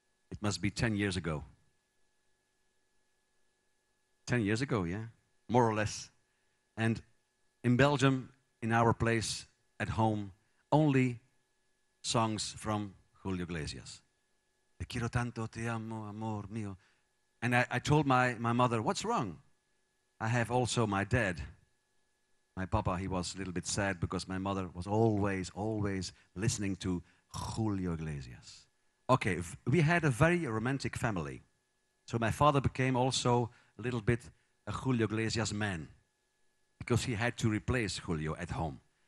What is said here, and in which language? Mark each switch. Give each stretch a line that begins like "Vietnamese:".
English: It must be 10 years ago. 10 years ago, yeah, more or less. And in Belgium, in our place at home, only songs from Julio Iglesias.
Spanish: Te quiero tanto, te amo, amor mío.
English: And I told my mother, what's wrong? I have also my dad. My papa, he was a little bit sad because my mother was always, always listening to Julio Iglesias. Okay, we had a very romantic family. So my father became also a little bit a Julio Iglesias man because he had to replace Julio at home.